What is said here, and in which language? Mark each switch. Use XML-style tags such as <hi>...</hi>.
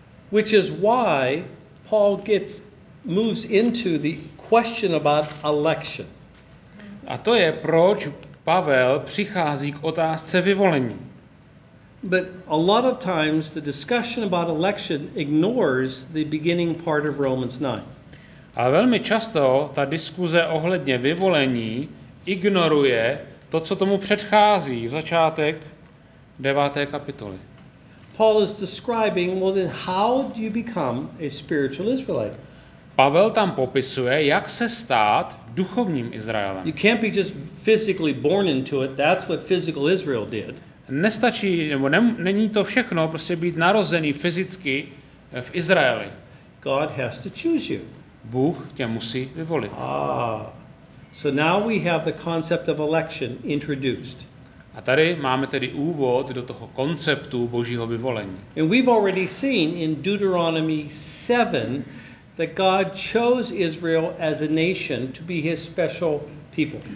<en>Which is why Paul gets moves into the question about election.</en> <cs>A to je proč Pavel přichází k otázce vyvolení.</cs> <en>But a lot of times the discussion about election ignores the beginning part of Romans 9.</en> <cs>A velmi často ta diskuze ohledně vyvolení ignoruje to, co tomu předchází, začátek 9. kapitoly.</cs> <en>Paul is describing, well then how do you become a spiritual Israelite?</en> <cs>Pavel tam popisuje, jak se stát duchovním Izraelem.</cs> <en>You can't be just physically born into it. That's what physical Israel did.</en> <cs>Nestačí, nebo není to všechno, prostě být narozený fyzicky v Izraeli.</cs> <en>God has to choose you.</en> <cs>Bůh tě musí vyvolit.</cs> <en>So now we have the concept of election introduced.</en> <cs>A tady máme tedy úvod do toho konceptu Božího vyvolení.</cs> <en>And we've already seen in Deuteronomy 7 that God chose Israel as a nation to be his special people.</en>